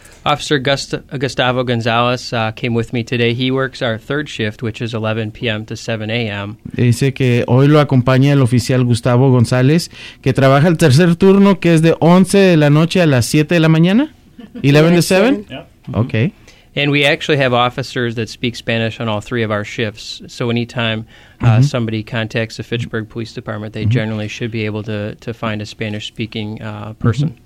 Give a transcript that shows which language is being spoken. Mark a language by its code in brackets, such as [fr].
[en] Officer Gustavo Gonzalez came with me today. He works our 3rd shift, which is 11 p.m. to 7 a.m. [es] Dice que hoy lo acompaña el oficial Gustavo González, que trabaja el tercer turno, que es de 11 de la noche a las 7 de la mañana. [en] 11 to 7? Yeah. Mm-hmm. Okay. And we actually have officers that speak Spanish on all 3 of our shifts. So anytime mm-hmm. somebody contacts the Fitchburg Police Department, they mm-hmm. generally should be able to find a Spanish-speaking person.